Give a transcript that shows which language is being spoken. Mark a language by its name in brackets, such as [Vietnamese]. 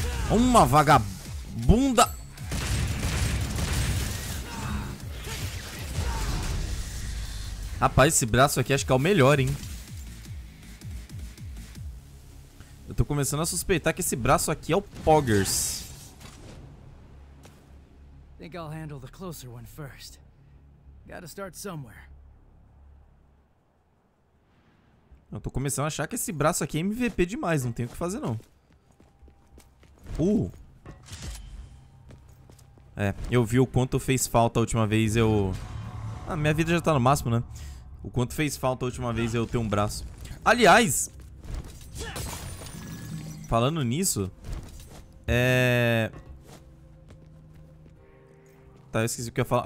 [Portuguese] Uma vagabunda. Rapaz, esse braço aqui acho que é o melhor, hein? Eu tô começando a suspeitar que esse braço aqui é o Poggers. [English] Think I'll handle the closer one first. Gotta start somewhere. [Portuguese] Eu tô começando a achar que esse braço aqui é MVP demais, não tem o que fazer não. É, eu vi o quanto fez falta a última vez eu. Ah, minha vida já tá no máximo, né? O quanto fez falta a última vez eu ter um braço. Aliás, falando nisso, tá, eu esqueci o que eu ia falar.